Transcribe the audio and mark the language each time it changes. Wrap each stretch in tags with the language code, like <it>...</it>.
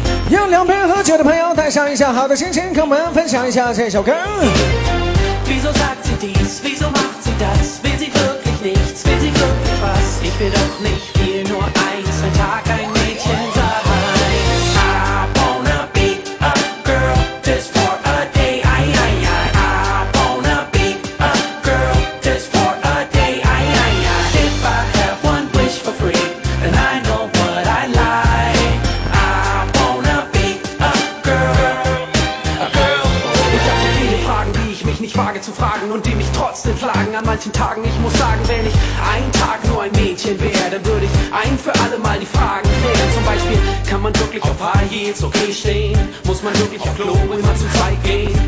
<zh>有两杯喝酒的朋友，带上一下好的心情，跟我们分享一下这首歌。</zh> <de>Wieso sagt sie dies, wieso macht sie das, will sie wirklich nichts, will sie wirklich was, ich will doch nicht viel, nur ein, zwei Tag ein Mädchen sein.</de> <en>I wanna be a girl, just for a day, ay, ay, ay. I wanna be a girl, just for a day, ay, ay, ay. If I have one wish for free, then I know what I like. I wanna be a girl, a girl.</en> <de>Ich hab so viele Fragen, die ich mich nicht wage zu fragen und die mich trotzdem plagen an manchen Tagen. Ich muss sagen, wenn ich ein Tag nur ein Mädchen wäre, dann würde ich ein für alle Mal die Fragen klären. Zum Beispiel, kann man wirklich auf High Heels okay stehen? Muss man wirklich auf Klo immer zu zweit gehen?</de>